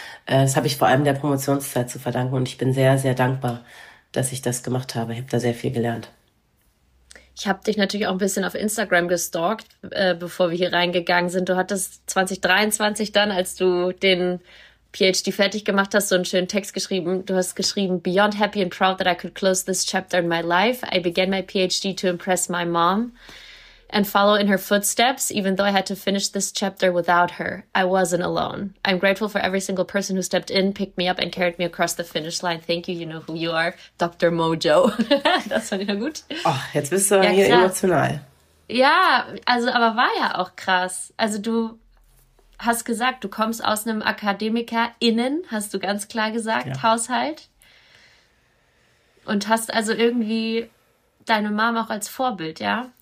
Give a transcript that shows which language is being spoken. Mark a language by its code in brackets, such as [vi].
[de] Das habe ich vor allem der Promotionszeit zu verdanken. Und ich bin sehr, sehr dankbar, dass ich das gemacht habe. Ich habe da sehr viel gelernt. Ich habe dich natürlich auch ein bisschen auf Instagram gestalkt, bevor wir hier reingegangen sind. Du hattest 2023 dann, als du den PhD fertig gemacht hast, so einen schönen Text geschrieben. Du hast geschrieben, [en] "Beyond happy and proud that I could close this chapter in my life, I began my PhD to impress my mom and follow in her footsteps, even though I had to finish this chapter without her. I wasn't alone. I'm grateful for every single person who stepped in, picked me up and carried me across the finish line. Thank you, you know who you are, Dr. [de] Mojo." Das fand ich ja gut. Ach, oh, jetzt bist du ja, hier krass. Emotional. Ja, also aber war ja auch krass. Also du hast gesagt, du kommst aus einem AkademikerInnen, hast du ganz klar gesagt, ja. Haushalt. Und hast also irgendwie deine Mom auch als Vorbild, ja?